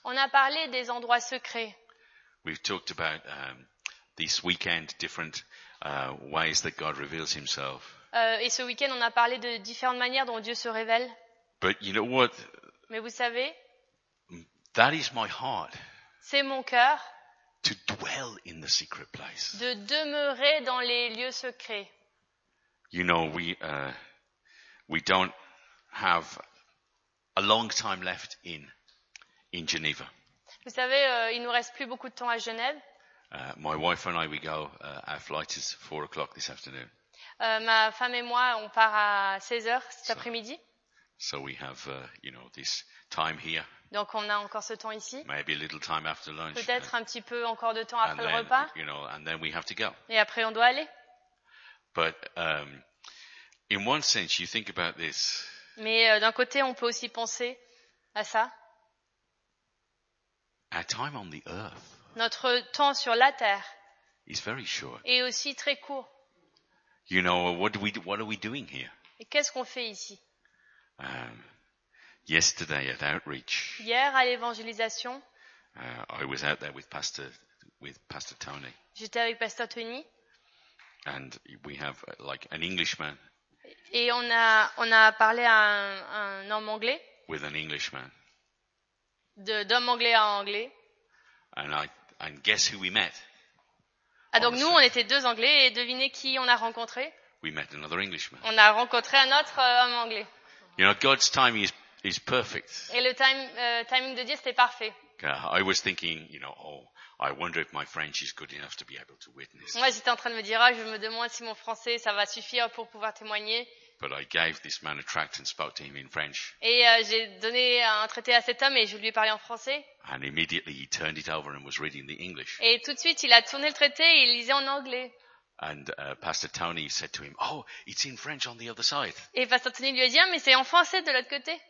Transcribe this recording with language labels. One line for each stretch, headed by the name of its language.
French: On a parlé des endroits secrets.
English: We've talked about this weekend different ways that God reveals himself.
French: Et ce week-end, on a parlé de différentes manières dont Dieu se révèle.
English: But you know what?
French: Mais vous savez?
English: That is my heart.
French: C'est mon cœur.
English: To dwell in the secret place.
French: De demeurer dans les lieux secrets.
English: You know, we don't have a long time left in Geneva.
French: Vous savez, il nous reste plus beaucoup de temps à Genève.
English: My wife and I, we go. Our flight is 4 o'clock this afternoon.
French: Ma femme et moi, on part à 16h cet après-midi.
English: So we have, you know, this time here.
French: Donc on a encore ce temps ici.
English: Maybe a little time after lunch.
French: Peut-être un petit peu encore de temps après le repas.
English: You know, and then we have to go.
French: Et après on doit aller.
English: But in one sense, you think about this.
French: Mais d'un côté, on peut aussi penser à ça.
English: Our time on the earth.
French: Notre temps sur la terre.
English: Is very short.
French: Et aussi très court.
English: You know, what are we doing here?
French: Et qu'est-ce qu'on fait ici?
English: Yesterday at outreach.
French: Hier à l'évangélisation.
English: I was out there with Pastor Tony.
French: J'étais avec Pasteur Tony.
English: And we have like an Englishman.
French: Et on a parlé à un homme anglais.
English: With an Englishman.
French: D'homme anglais à anglais.
English: And guess who we met?
French: Ah, donc nous, on était deux Anglais et devinez qui on a rencontré?
English: We met another Englishman.
French: On a rencontré un autre homme anglais.
English: You know, God's timing is perfect.
French: Et le timing de Dieu, c'était parfait.
English: I was thinking, you know, oh, I wonder if my French is good enough to be able to witness.
French: Moi, j'étais en train de me dire, ah, je me demande si mon français, ça va suffire pour pouvoir témoigner.
English: But I gave this man a tract and spoke to him in French.
French: Et j'ai donné un traité à cet homme et je lui ai parlé en français.
English: And immediately he turned it over and was reading the English.
French: Et tout de suite, il a tourné le traité et il lisait en anglais.
English: And Pastor Tony said to him, "Oh, it's in French on the other side."
French: Et Pastor Tony lui a dit, ah, mais c'est en français de l'autre côté.